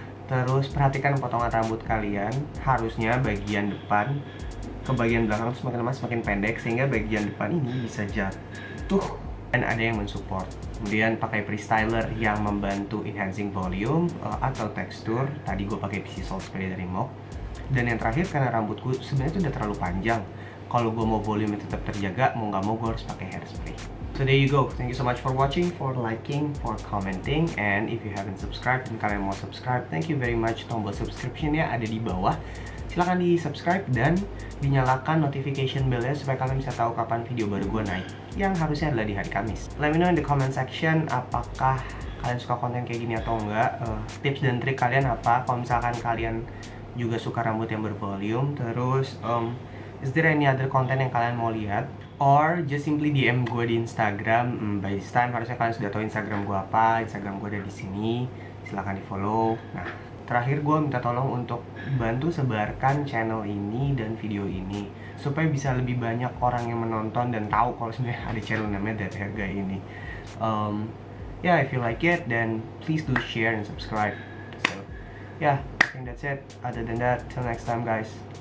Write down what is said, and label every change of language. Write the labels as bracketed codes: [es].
[id] Terus perhatikan potongan rambut kalian. Harusnya bagian depan ke bagian belakang itu semakin lama semakin pendek, sehingga bagian depan ini bisa jatuh dan ada yang mensupport. Kemudian pakai pre-styler yang membantu [en] enhancing volume [id] atau tekstur. Tadi gue pakai PC Salt Spray dari Mook. Dan yang terakhir, karena rambutku sebenarnya tuh udah terlalu panjang, kalau gue mau volume tetap terjaga, mau nggak mau gue harus pakai hairspray. [en] So there you go. Thank you so much for watching, for liking, for commenting, and if you haven't subscribed and [id] kalian mau subscribe, [en] thank you very much. [id] Tombol subscription-nya ada di bawah. Silakan di subscribe dan dinyalakan notification bell-nya supaya kalian bisa tahu kapan video baru gue naik, yang harusnya adalah di hari Kamis. [en] Let me know in the comment section [id] apakah kalian suka konten kayak gini atau enggak. Tips dan trik kalian apa? Kalau misalkan kalian juga suka rambut yang bervolume, terus [en] is there any other content [id] yang kalian mau lihat? [en] Or just simply DM [id] gue di Instagram. [en] By this time [id] harusnya kalian sudah tahu Instagram gue apa. Instagram gue ada di sini. Silakan di follow. Nah, terakhir gue minta tolong untuk bantu sebarkan channel ini dan video ini supaya bisa lebih banyak orang yang menonton dan tahu kalau sebenarnya ada channel namanya Dead Hair Guy ini. [en] Yeah, if you like it, then please do share and subscribe. So, yeah, I think that's it. Other than that, till next time, guys.